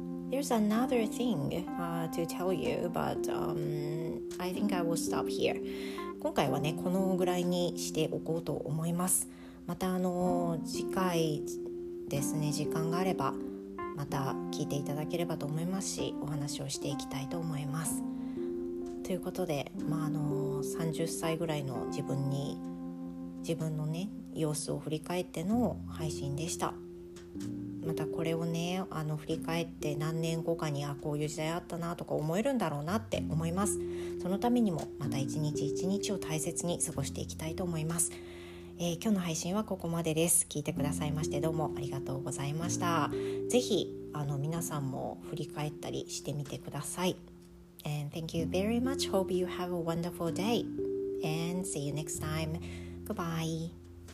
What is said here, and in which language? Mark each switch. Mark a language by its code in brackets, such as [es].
[en] There's another thing、to tell you, but、I think I will stop here。 [ja] 今回はね、このぐらいにしておこうと思います。また次回ですね、時間があればまた聞いていただければと思いますし、お話をしていきたいと思います。ということで、まあ、30歳ぐらいの自分に、自分のね様子を振り返っての配信でした。またこれをね、あの振り返って、何年後かに、あ、こういう時代あったなとか思えるんだろうなって思います。そのためにもまた一日一日を大切に過ごしていきたいと思います。今日の配信はここまでです。聞いてくださいましてどうもありがとうございました。ぜひ皆さんも振り返ったりしてみてください。 [en] And thank you very much. Hope you have a wonderful day. And see you next time. Goodbye.